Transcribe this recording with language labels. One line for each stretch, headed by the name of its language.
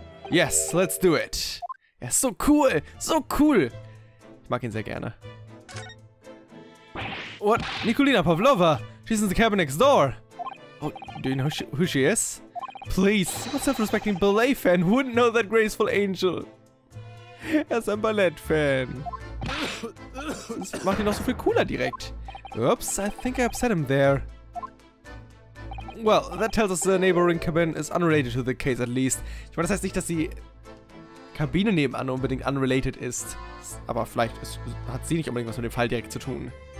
English: Yes, let's do it.
German: Er ist so cool! So cool! Ich mag ihn sehr gerne.
English: What? Nikolina Pavlova! She's in the cabin next door! Oh, do you know who she is? Please, what self-respecting ballet fan wouldn't know that graceful angel?
German: Er ist ein Ballett-Fan. Das macht ihn noch so viel cooler direkt.
English: Oops, I think I upset him there. Well, that tells us the neighboring cabin is unrelated to the case at least.
German: Ich meine, das heißt nicht, dass die Kabine nebenan unbedingt unrelated ist. Aber vielleicht hat sie nicht unbedingt was mit dem Fall direkt zu tun.